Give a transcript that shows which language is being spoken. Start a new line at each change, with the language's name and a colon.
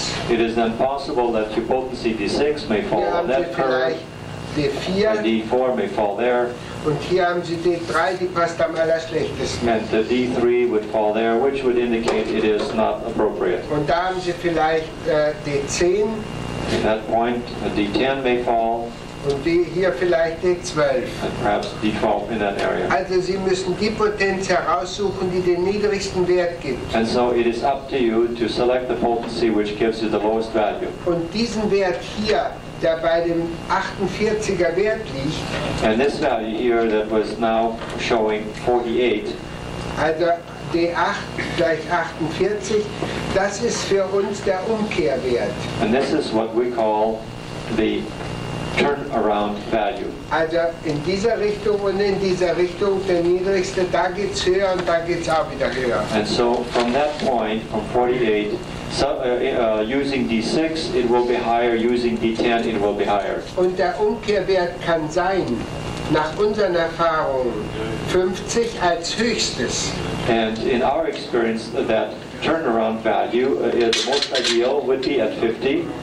English: It is then possible that your potency D6 may fall on that curve. D4. And D4 may fall there.
German: Und hier haben Sie D3, die passt am allerschlechtesten.
English: And the D3 would fall there, which would indicate it is not appropriate.
German: Und da haben Sie vielleicht D10.
English: At that point, D10 may fall.
German: Und die hier vielleicht D12.
English: And perhaps D12 in that area.
German: Also Sie müssen die Potenz heraussuchen, die den niedrigsten Wert gibt.
English: And so it is up to you to select the potency which gives you the lowest value.
German: Und diesen Wert hier, der bei dem 48er Wert liegt.
English: And this value here that was now showing 48.
German: Also D8 gleich 48, das ist für uns der Umkehrwert.
English: And this is what we call the turnaround value.
German: Also in dieser Richtung und in dieser Richtung, der niedrigste, da geht's höher und da geht's auch wieder höher.
English: And so from that point, from 48, using D6, it will be higher. Using D10, it will be higher.
German: Und der Umkehrwert kann sein, nach unseren Erfahrungen, 50 als höchstes.
English: And in our experience, that turnaround value is most ideal would be at 50.